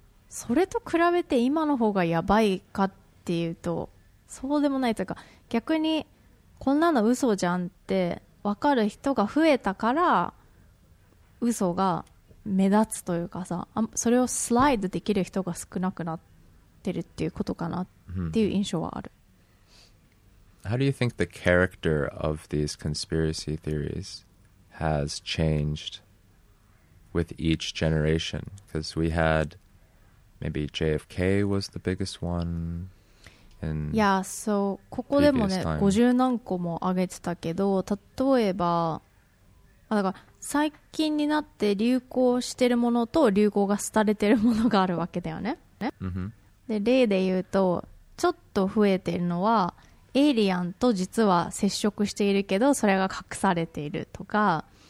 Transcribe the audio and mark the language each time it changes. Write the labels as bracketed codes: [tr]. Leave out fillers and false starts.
[ja] それと比べて今の方がやばいかっていうとそうでもないというか、逆にこんなの嘘じゃんって分かる人が増えたから嘘が目立つというかさ、それをスライドできる人が少なくなってるっていうことかなって [en] How do you think the character of these conspiracy theories has changed with each generation? Because we had maybe JFK was the biggest one. Yeah, so [ja] ここでもね、50何個も挙げてたけど、例えば、あ、だから最近になって流行してるものと流行が廃れてるものがあるわけだよね。ね。 [en] Mm-hmm. [ja] で、例で言うと、ちょっと増えてるのはエイリアンと実は接触しているけどそれが隠されているとか、